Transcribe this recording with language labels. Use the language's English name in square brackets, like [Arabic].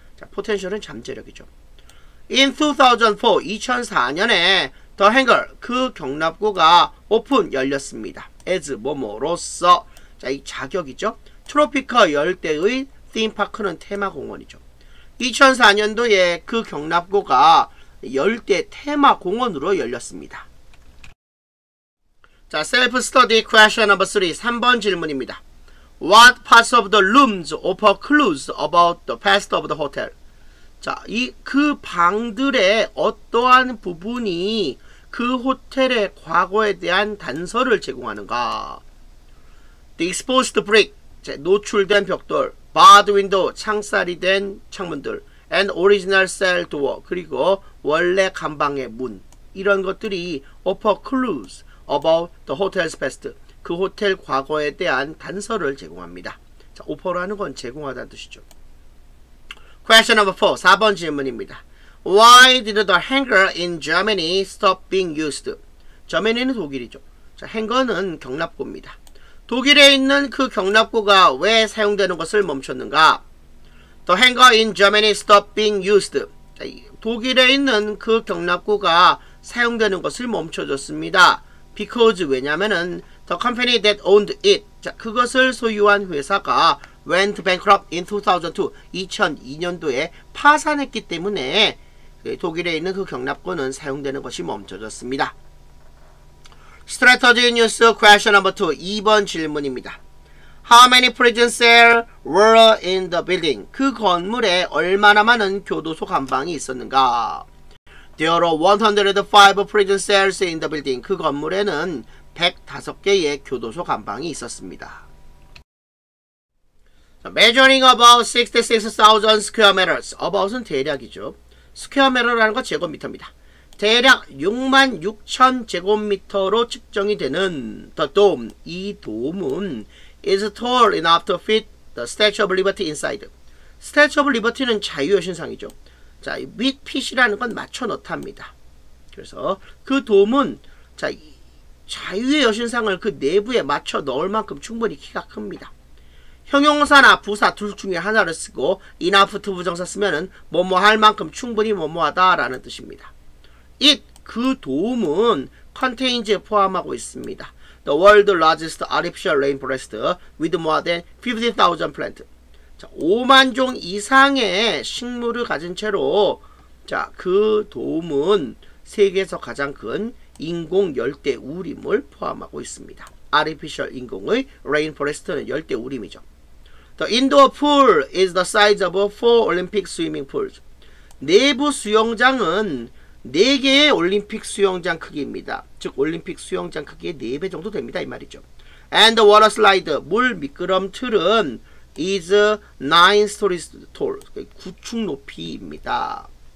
[Korean] 자, potential은 잠재력이죠. [English] In 2004, [Korean] 2004년에 The Hangar, 그 경납고가 오픈, 열렸습니다. As 뭐뭐로서, 자, 이 자격이죠. 트로피카 열대의 theme park는 테마공원이죠. 2004년도에 그 경납고가 열대 테마공원으로 열렸습니다. [English] 자, self-study question number 3, [Korean] 3번 질문입니다. [English] What parts of the rooms offer clues about the past of the hotel? [Korean] 자, 이 그 방들의 어떠한 부분이 그 호텔의 과거에 대한 단서를 제공하는가? [English] The exposed brick, [Korean] 자, 노출된 벽돌, [English] barred window, [Korean] 창살이 된 창문들, [English] and original cell door, [Korean] 그리고 원래 감방의 문, 이런 것들이 [English] offer clues about the hotel's past, [Korean] 그 호텔 과거에 대한 단서를 제공합니다. 자, offer라는 건 제공하다는 뜻이죠. [English] Question number 4, [Korean] 4번 질문입니다. [English] Why did the hangar in Germany stop being used? [Korean] Germany는 독일이죠. 자, 행거는 경납고입니다. 독일에 있는 그 경납고가 왜 사용되는 것을 멈췄는가? [English] The hangar in Germany stopped being used. [Korean] 자, 독일에 있는 그 경납고가 사용되는 것을 멈춰졌습니다. Because, 왜냐면은 [English] the company that owned it, [Korean] 자, 그것을 소유한 회사가 [English] went bankrupt in 2002, [Korean] 2002년도에 파산했기 때문에 독일에 있는 그 경납고는 사용되는 것이 멈춰졌습니다. [English] Strategy News Question No. 2, [Korean] 2번 질문입니다. [English] How many prison cells were in the building? [Korean] 그 건물에 얼마나 많은 교도소 감방이 있었는가? [English] There are 105 prison cells in the building. [Korean] 그 건물에는 105개의 교도소 감방이 있었습니다. [English] Measuring about 66,000 square meters. [Korean] About은 대략이죠. Square meter라는 건 제곱미터입니다. 대략 66,000 제곱미터로 측정이 되는 the dome, 이 돔은 [English] is tall enough to fit the Statue of Liberty inside. [Korean] Statue of Liberty는 자유의 신상이죠. 자, with fit이라는 건 맞춰 넣답니다. 그래서 그 돔은 자, 자유의 여신상을 그 내부에 맞춰 넣을 만큼 충분히 키가 큽니다. 형용사나 부사 둘 중에 하나를 쓰고 enough to 부정사 쓰면은 뭐뭐 할 만큼 충분히 뭐뭐 하다라는 뜻입니다. It, 그 돔은 contains에 포함하고 있습니다. [English] The world's largest artificial rainforest with more than 50,000 plants. [Korean] 자, 5만 종 이상의 식물을 가진 채로 자, 그 돔은 세계에서 가장 큰 인공 열대 우림을 포함하고 있습니다. Artificial 인공의 rainforest는 열대 우림이죠. [English] The indoor pool is the size of 4 Olympic swimming pools. [Korean] 내부 수영장은 4개의 올림픽 수영장 크기입니다. 즉 올림픽 수영장 크기의 4배 정도 됩니다. 이 말이죠. [English] And the water slide, [Korean] 물 미끄럼 틀은 [English] is 9 stories tall, [Korean] 9층 높이입니다.